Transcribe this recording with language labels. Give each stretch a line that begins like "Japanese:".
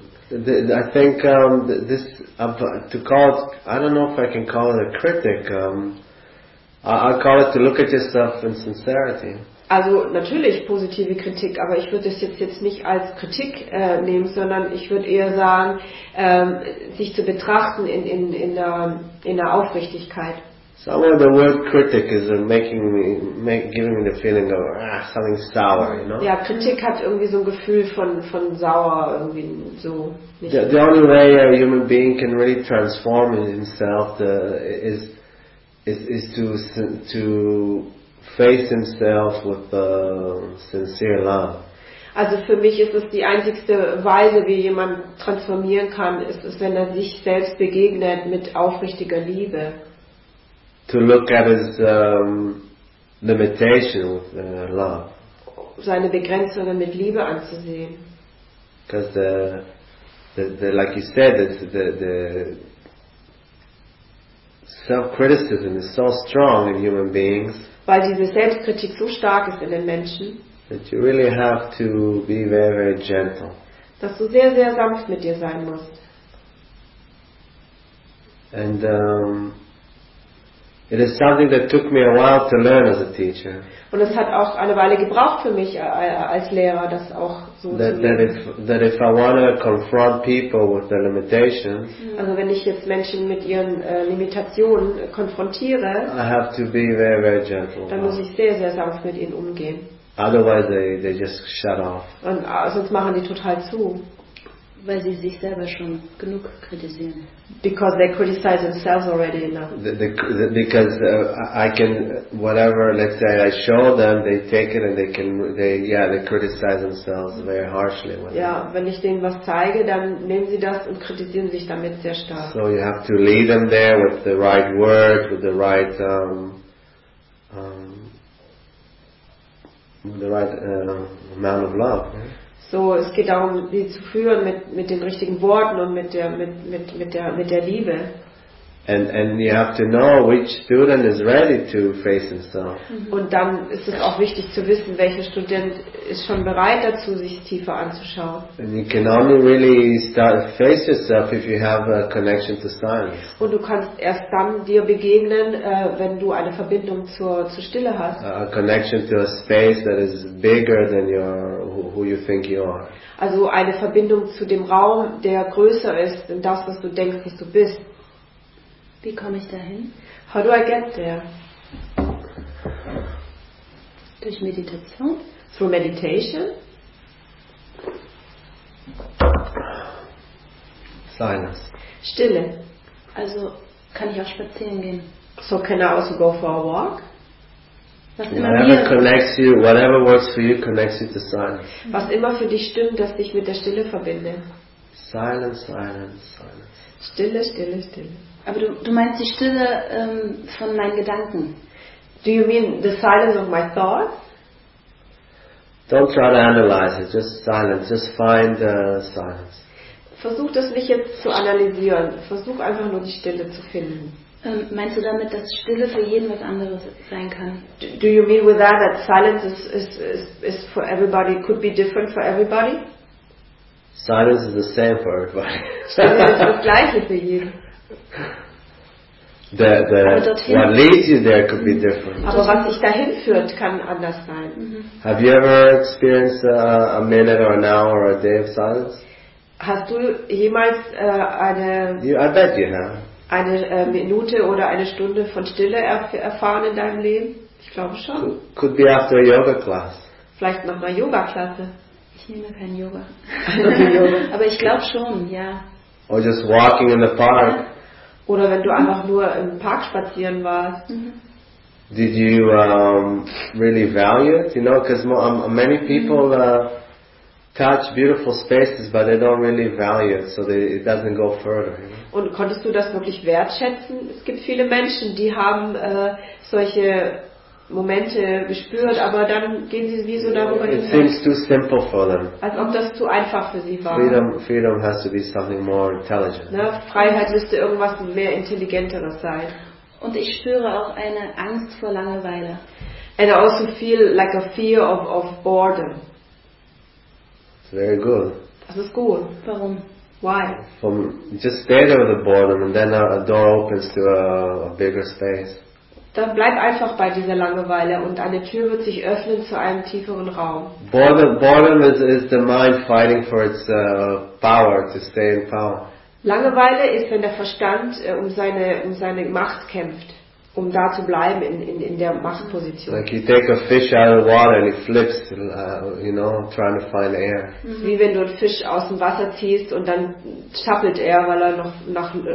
English: I think this to call it, I don't know if I can call it a critic. I call it to look at yourself in sincerity.
German: Also natürlich positive Kritik, aber ich würde das jetzt nicht als Kritik nehmen, sondern ich würde eher sagen, sich zu betrachten in der Aufrichtigkeit.
English: Somehow the word critic is giving me the feeling of something sour, you know?
German: Ja, Kritik hat irgendwie so ein Gefühl von sauer irgendwie so.
English: The only way a human being can really transform himself is to face himself with sincere love.
German: Also für mich ist es die einzigste Weise, wie jemand transformieren kann, ist wenn er sich selbst begegnet mit aufrichtiger Liebe.
English: To look at his limitation with love.
German: Seine Begrenzungen mit Liebe anzusehen.
English: Because the like you said, the self-criticism is so strong in human beings.
German: Weil diese Selbstkritik so stark ist in den Menschen.
English: That you really have to be very, very gentle.
German: Dass du sehr, sehr sanft mit dir sein musst.
English: And it is something that took me a while to learn as a teacher.
German: Und es hat auch eine Weile gebraucht für mich als Lehrer, das auch so
English: that,
German: zu lernen.
English: That if I want to confront people with their limitations. Mm-hmm.
German: Also wenn ich jetzt Menschen mit ihren Limitationen konfrontiere,
English: I have to be very, very gentle.
German: Dann muss ich sehr, sehr sanft mit ihnen umgehen.
English: Otherwise they just shut off.
German: Und sonst machen die total zu. Weil sie sich selber schon genug kritisieren.
English: Because they criticize themselves already enough. I can whatever, let's say I show them, they take it and they criticize themselves very harshly.
German: Ja, wenn ich denen was zeige, dann nehmen sie das und kritisieren sich damit sehr stark.
English: So you have to lead them there with the right words, with the right amount of love.
German: So, es geht darum, sie zu führen mit den richtigen Worten und mit der Liebe.
English: And you have to know which student is ready to face himself.
German: Und dann ist es auch wichtig zu wissen, welcher Student ist schon bereit dazu, sich tiefer anzuschauen.
English: And you can only really start face yourself if you have a connection to silence.
German: Und du kannst erst dann dir begegnen, wenn du eine Verbindung zur Stille hast.
English: A connection to a space that is bigger than your who you think you are.
German: Also eine Verbindung zu dem Raum, der größer ist als das, was du denkst, was du bist. Wie komme ich dahin?
English: How do I get there?
German: Durch Meditation?
English: Through meditation? Silence.
German: Stille. Also kann ich auch spazieren gehen.
English: So can I also go for a walk? Whatever connects you, whatever works for you, connects you to silence.
German: Was immer für dich stimmt, dass dich mit der Stille verbinde.
English: Silence, silence, silence.
German: Stille, Stille, Stille. Aber du meinst die Stille von meinen Gedanken.
English: Do you mean the silence of my thoughts? Don't try to analyze it, just silence, just find the silence.
German: Versuch das nicht jetzt zu analysieren, versuch einfach nur die Stille zu finden. Meinst du damit, dass Stille für jeden was anderes sein kann?
English: Do you mean with that silence is for everybody, could be different for everybody? Silence is the same for everybody.
German: Stille ist das gleiche für jeden.
English: The what leads you there could be different.
German: Aber was dich dahin führt, kann anders sein.
English: Have you ever experienced a minute or an hour or a day of silence?
German: Hast du jemals eine?
English: I bet you have.
German: Eine Minute oder eine Stunde von Stille erfahren in deinem Leben? Ich glaube schon.
English: Could be after a yoga class.
German: Vielleicht nach einer Yoga-Klasse. Ich nehme kein Yoga. Aber ich glaube schon, ja.
English: Or just walking in the park.
German: Oder wenn du einfach nur im Park spazieren warst.
English: Did you really value it? You know, because many people touch beautiful spaces, but they don't really value it, so it doesn't go further. You know?
German: Und konntest du das wirklich wertschätzen? Es gibt viele Menschen, die haben solche Momente gespürt, aber dann gehen sie wie so darüber hinweg.
English: It seems too simple for them.
German: Als ob das zu einfach für sie war.
English: Freedom has to be something more intelligent.
German: Ne? Freiheit müsste irgendwas mehr Intelligenteres sein. Und ich spüre auch eine Angst vor Langeweile.
English: And I also feel like a fear of boredom. It's very good.
German: Das ist gut. Warum?
English: Why? From just stay there with the boredom and then a door opens to a bigger space.
German: Dann bleib einfach bei dieser Langeweile und eine Tür wird sich öffnen zu einem tieferen Raum.
English: Boredom is the mind fighting for its power, to stay in power.
German: Langeweile ist, wenn der Verstand um seine Macht kämpft, um da zu bleiben in der Machtposition.
English: Like you take a fish out of water and it flips, you know, trying to find air. Mhm.
German: Wie wenn du einen Fisch aus dem Wasser ziehst und dann schappelt er, weil er noch nach